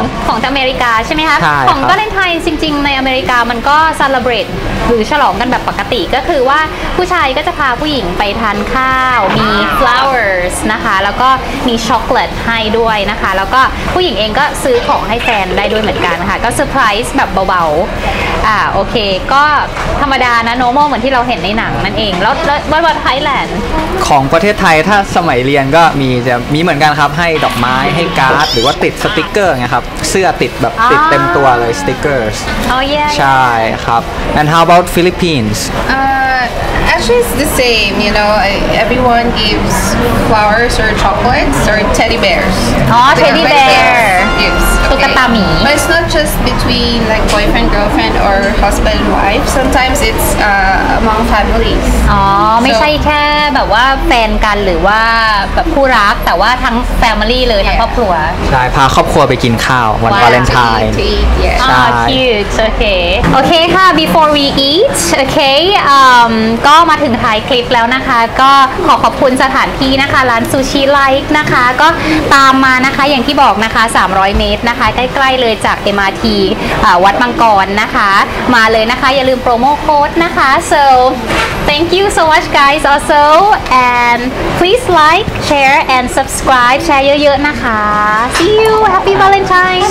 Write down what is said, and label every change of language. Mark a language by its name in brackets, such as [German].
[Thai] ของอเมริกาใช่ไหมคะของวาเลนไทน์จริงๆในอเมริกามันก็ซาเลบเรตหรือฉลองกันแบบปกติก็คือว่าผู้ชายก็จะพาผู้หญิงไปทานข้าวมี flowers นะคะแล้วก็มีช็อกโกแลตให้ด้วยนะคะแล้วก็ผู้หญิงเองก็ซื้อของให้แฟนได้ด้วยเหมือนกันค่ะก็เซอร์ไพรส์แบบเบาๆโอเคก็ธรรมดานะ normal เหมือนที่เราเห็นในหนังนั่นเองแล้วบ้านไทยแลนด์ของประเทศไทยถ้าสมัยเรียนก็มีเหมือนกันครับให้ดอกไม้ให้การ์ดหรือว่าติดสติกเกอร์ไงครับเสื้อติดแบบติดเต็มตัวเลยสติกเกอร์อ๋อ yeah ใช่ครับ [English] and how about Philippines Actually it's the same you know everyone gives flowers or chocolates or teddy bears [Thai] อ๋อ [English] teddy bear [Thai] ตุ๊กตาหมี [English] but it's not just between like boyfriend girlfriend orhusband wife sometimes it's among families [Thai] อ๋อไม่ใช่แค่แบบว่าแฟนกันหรือว่าแบบคู่รักแต่ว่าทั้ง family เลย yeah. ทั้งครอบครัว ใช่พาครอบครัวไปกินข้าววันวาเลนไทน์ใช่ [English] cute okay okay [Thai] ค่ะ [English] before we eat okay [Thai] ก็มาถึงท้ายคลิปแล้วนะคะก็ขอขอบคุณสถานที่นะคะร้านซูชิไลค์นะคะก็ตามมานะคะอย่างที่บอกนะคะ300เมตรนะคะใกล้ๆเลยจาก MRT วัดมังกรนะคะมาเลยนะคะอย่าลืมโปรโมโค้ดนะคะ [English] so thank you so much guys also and please like share and subscribe [Thai] แชร์เยอะๆนะคะ [English] see you happy Valentine